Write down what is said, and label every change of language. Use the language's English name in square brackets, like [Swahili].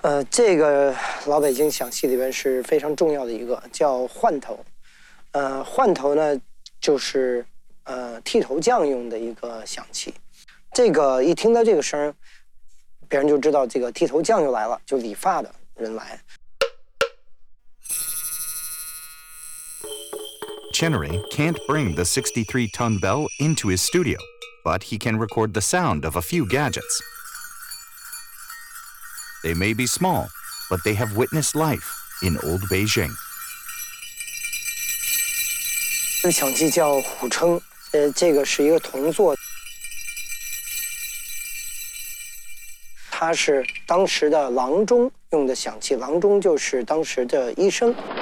[Chinese] 这个老北京响器里边是非常重要的一个，叫换头。换头呢，就是剃头匠用的一个响器。这个一听到这个声，别人就知道这个剃头匠又来了，就理发的人来。 [English] Chinnery can't bring the 63-ton bell into his studio, but he can record the sound of a few gadgets. They may be small, but they have witnessed life in old Beijing. [Chinese] This 响器叫虎称，这个是一个铜做，它是当时的郎中用的响器，郎中就是当时的医生。